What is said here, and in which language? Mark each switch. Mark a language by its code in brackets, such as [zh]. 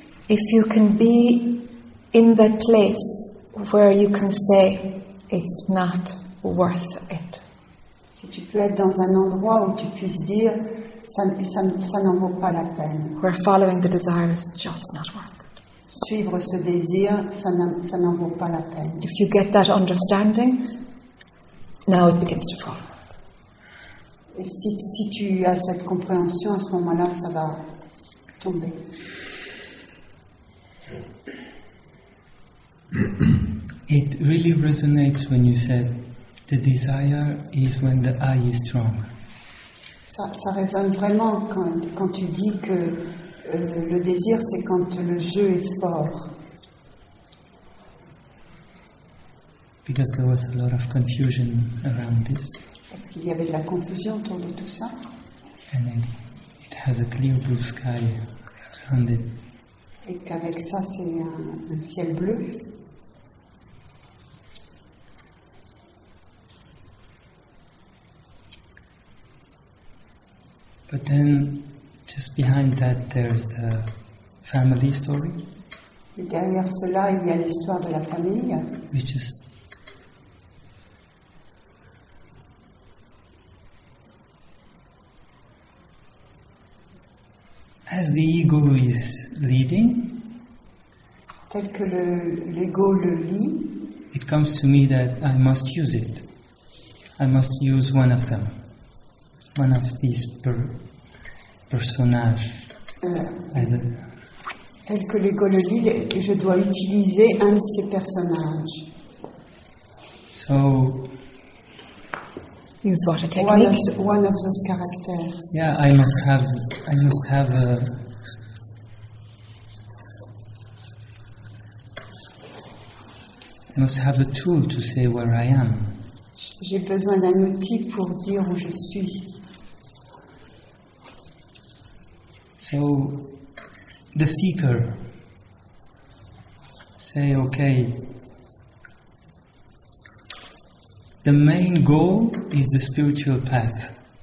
[en] if you can be in that place where you can say it's not worth it. [fr] Si tu peux être dans un endroit où tu puisses dire ça n'en vaut pas la peine. [en] Where following the desire is just not worth it. [fr] Suivre ce désir, ça n'en vaut pas la peine. [en] If you get that understanding, now it begins to fall. [fr] Et si tu as cette compréhension, à ce moment-là, ça va tomber. [en] It really resonates when you said the desire is when the eye is strong. [fr] Ça résonne vraiment quand tu dis que le désir, c'est quand le jeu est fort. [en] Because there was a lot of confusion around this. [fr] Parce qu'il y avait de la confusion autour de tout ça. [en] And it has a clear blue sky around it. [fr] Et qu'avec ça, c'est un ciel bleu. [en] But then, just behind that, there's the family story. [fr] Et derrière cela, il y a l'histoire de la famille. [en] Which is as the ego is leading, [fr] tel que l'ego le lit, [en] it comes to me that I must use it. I must use one of them, one of these personages. [fr] Tel que l'ego le lit, je dois utiliser un de ces personnages. [en] So, use what a technique. One of those characters. Yeah, I must have a. I must have a tool to say where I am. [fr] J'ai besoin d'un outil pour dire où je suis. [en] So, the seeker say, okay, the main goal is the spiritual path.